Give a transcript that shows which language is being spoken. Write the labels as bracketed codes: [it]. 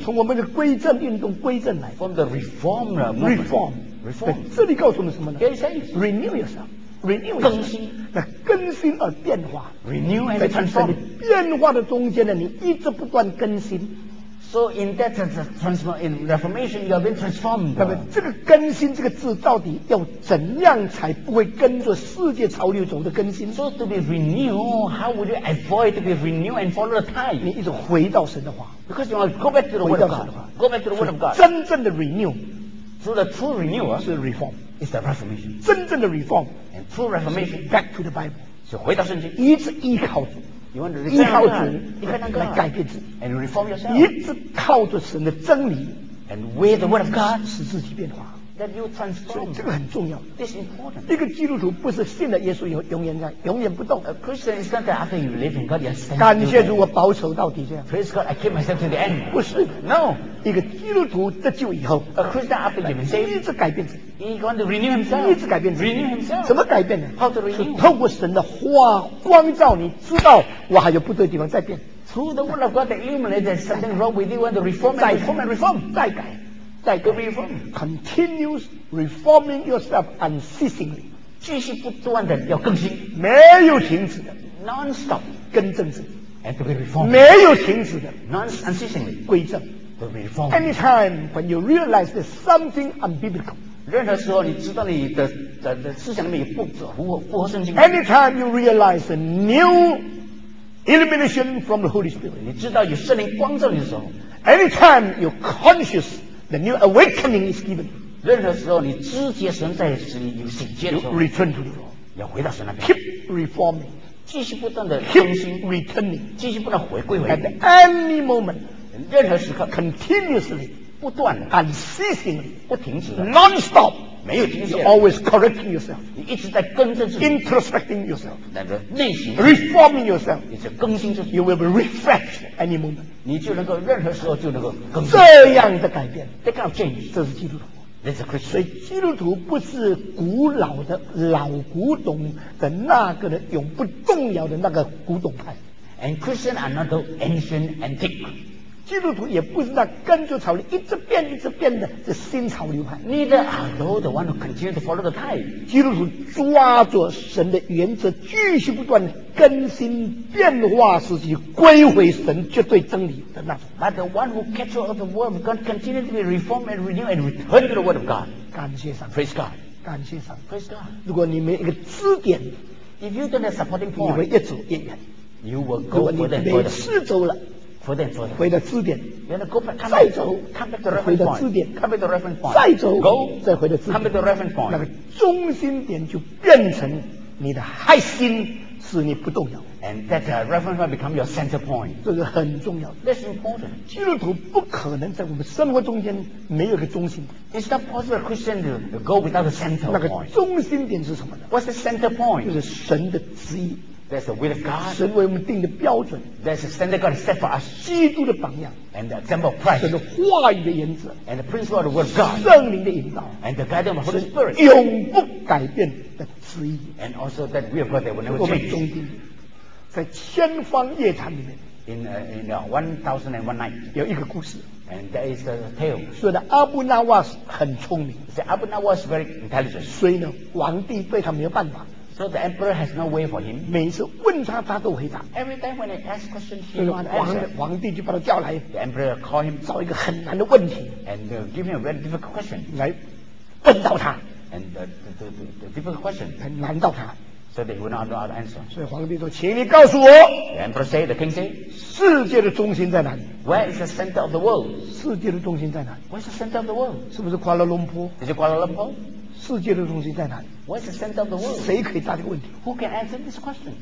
[zh] 从我们的归正运动归正来的。 [en] From the reform movement。 Reform。 Reform。 [zh] 这里告诉我们什么呢 [en] ？Get saved。 Renew yourself。 Renew。 [zh] 更新。那更新而变化。 [en] Renew and transform。 [zh] 在变化的中间呢，你一直不断更新。 [en] So in that in reformation, you have been transformed. [zh] 那么这个更新这个字到底要怎样才不会跟着世界潮流走的更新 [en] ？So to be renewed, how would you avoid to be renewed and follow the tide? [zh] 你一直回到神的话。 [en] Because you want to go back to the word of God. [zh] 回到神的话。 [en] Go back to the word of God. [zh] 真正的 renew, [en] so the true renewal [zh] 是 reform, [en] is the reformation. [zh] 真正的 reform [en] and true reformation back to the Bible. [zh] 是回到圣经，一直依靠主。 [en] You want to [zh] 依靠主，你看那个来改变自己 [en] ，and reform yourself， [zh] 一直靠着神的真理 [en] ，and with the word of God， [zh] 使自己变化 [en] ，that you transform， [zh] 这个很重要 [en] ，this important。 [zh] 一个基督徒不是信了耶稣以后永远不动 [en] ，a Christian is not that after you believe in God you stand。 [zh] 感谢主，我保守到底这样 [en] ，praise God I keep myself to the end。 [zh] 不是 [en] ，no， [zh] 一个基督徒得救以后 [en] ，a Christian after you believe， [zh] 一直改变自己 [en] ，he want to renew himself， [zh] 一直改变自己 [en] ，renew himself， [zh] 怎么改变呢 [en] ？how to renew？ [zh] 是透过神的话光照，你知道。我还有不对的地方再变 [en] through the word of God that illuminates there's something wrong with you and to reform and reform and reform [zh] 再改再改 [en] reform continues reforming yourself unceasingly [zh] 继续不断的要更新没有停止的 [en] non-stop [zh] 更正自己 [en] and to be reformed [zh] 没有停止的 [en] non-unceasingly [zh] 归正 [en] will be reformed. Anytime when you realize there's something unbiblical. [zh] 任何时候你知道你的思想里面不符合圣经。 [en] Anytime you realize a new illumination from the Holy Spirit. [zh] 你知道有圣灵光照你的时候。 [en] Anytime you're conscious the new awakening is given. [zh] 任何时候你知觉神在使你有醒觉的时候。 [en] You return to the Lord. [zh] 要回到神那边。 [en] Keep reforming. [zh] 继续不断的更新 [en] Keep returning [zh] 继续不断回归回 [en] At any moment [zh] 任何时刻 [en] Continuously [zh] 不断的 [en] Unceasingly [zh] 不停止的 [en] Non-stop [zh] 没有停止 [en] Always correcting yourself [zh] 你一直在更正自己 [en] Introspecting yourself [zh] 乃至内心 [en] Reforming yourself [zh] 你就更新自己 [en] You will be refreshed any moment [zh] 你就能够任何时候就能够更新这样的改变 [en] That kind of change [zh] 这是基督徒 [en] This is Christian. [zh] 所以基督徒不是古老的老古董的那个的永不动摇的那个古董派 [en] And Christians are not those ancient antique [zh] 基督徒也不是那跟着潮流一直变一直变的这新潮流派 [en] Neither are those the one who continue to follow the time [zh] 基督徒抓着神的原则继续不断更新变化自己归回神绝对真理的那种 [en] But the one who catch all of the word of God continue to be reformed and renewed and return to the word of God [zh] 感谢上 [en] Praise God [zh] 感谢上 [en] Praise God [zh] 如果你没一个支点 [en] If you don't have supporting point [zh] 你会越走越远 [en] You will go for the point [zh] 如果你每次走了 [en] For the point [zh] 回到支点 [en] You want to go back [zh] 再走 [en] Come back to the reference point [zh] 回到支点 [en] Come back to the reference point [zh] 再走 [en] Go [zh] 再回到支点 [en] Come back to the reference point [zh] 那个中心点就变成你的核心使你不动摇 [en] and that reference point become your center point [zh] 这是很重要的 [en] that's important [zh] 基督徒不可能在我们生活中间没有一个中心 [en] it's not possible a Christian to go without a center point [zh] 那个中心点是什么呢 [en] what's the center point [zh] 就是神的旨意 [en] that's the will of God [zh] 神为我们定的标准 [en] that's the standard God set for us [zh] 基督的榜样 [en] and the example of Christ [zh] 神的话语的原则 [en] and the principle of the word of God [zh] 圣灵的引导 [en] and the guidance of the Holy Spirit [zh] 永不改变的 [en] And also that we have got that will never change. [zh] 中间，在千帆夜谭里面 [en] in 1001 night, [zh] 有一个故事 [en] and there is a tale. [zh] 说的阿布纳瓦斯很聪明 [en] The Abu Nawas very intelligent. [zh] 所以呢，皇帝对他没有办法 [en] So the emperor has no way for him. [zh] 每次问他，他都回答 [en] Every time when I ask questions, he won't answer. [zh] 皇帝就把他叫来 [en] The emperor call him. [zh] 找一个很难的问题 [en] and give him a very difficult question. [zh] 来问到他。 [en] And the difficult question. [zh] 很难到他 [en] So they would not know how to answer. [zh] 所以皇帝说，请你告诉我。 [en] The emperor say, the king say, [zh] 世界的中心在哪里？ [en] Where is the center of the world? [zh] 世界的中心在哪里？ [en] Where is the center of the world? [zh] 是不是瓜拉隆坡？ [en] Is it Kuala Lumpur? [zh] 世界的中心在哪里？ [en] Where is the center of the world? [zh] 谁可以答这个问题？ [en] Who can answer this question?